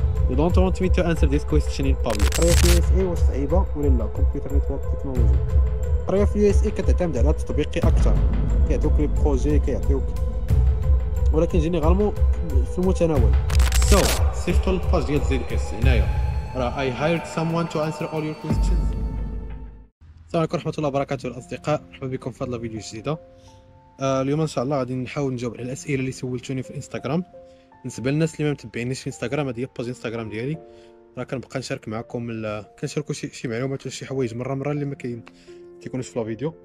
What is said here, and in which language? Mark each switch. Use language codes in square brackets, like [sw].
[en] You don't want me to answer this question in public. [ar] قرية في USA واش صعيبة ولا لا؟ كمبيوتر نتورك تكنولوجي. قرية في USA كتعتمد على التطبيقي أكثر، كيعطيوك لي بروجي كيعطيوك، ولكن جينيرالمون في المتناول. So, سيفط الباج ديال ZS هنايا. [en] راه I hired someone to answer all your questions. [ar] السلام عليكم ورحمة الله وبركاته الأصدقاء، مرحبا بكم في هذا الفيديو الجديد. اليوم إن شاء الله غادي نحاول نجاوب على الأسئلة اللي سولتوني في الانستغرام. بالنسبه للناس اللي ما متبعينيش في انستغرام، هذه هي الباج انستغرام ديالي، راه كنبقى نشارك معكم كنشاركوا شي معلومات ولا شي حوايج مره مره اللي ما كيكونوش في الفيديو.